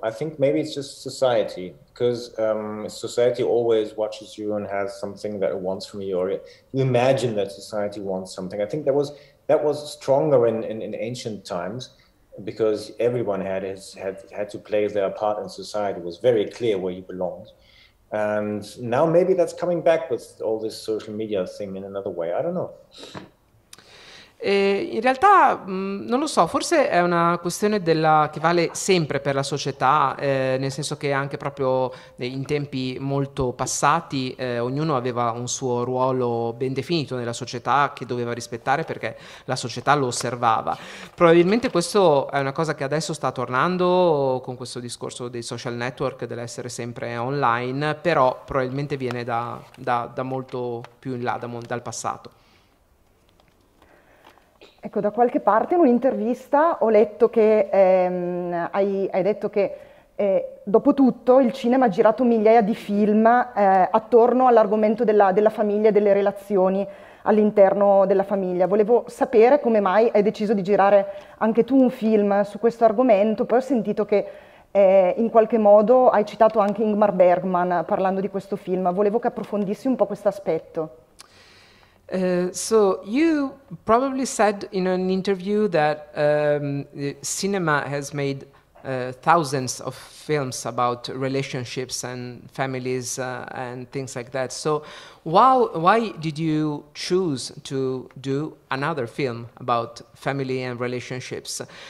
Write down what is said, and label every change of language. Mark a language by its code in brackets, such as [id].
[en] I think maybe it's just society, because society always watches you and has something that it wants from you, or you imagine that society wants something. I think that was stronger in ancient times, because everyone had to play their part in society. It was very clear where you belonged. And now maybe that's coming back with all this social media thing in another way. I don't know. [it] In realtà non lo so, forse è una questione che vale sempre per la società, nel senso che anche proprio in tempi molto passati ognuno aveva un suo ruolo ben definito nella società che doveva rispettare perché la società lo osservava. Probabilmente questo è una cosa che adesso sta tornando con questo discorso dei social network, dell'essere sempre online, però probabilmente viene da molto più in là, dal passato. Ecco, da qualche parte in un'intervista ho letto che hai detto che dopo tutto il cinema ha girato migliaia di film attorno all'argomento della famiglia e delle relazioni all'interno della famiglia. Volevo sapere come mai hai deciso di girare anche tu un film su questo argomento. Poi ho sentito che in qualche modo hai citato anche Ingmar Bergman parlando di questo film. Volevo che approfondissi un po' questo aspetto. [en] So you probably said in an interview that cinema has made thousands of films about relationships and families and things like that. So why did you choose to do another film about family and relationships?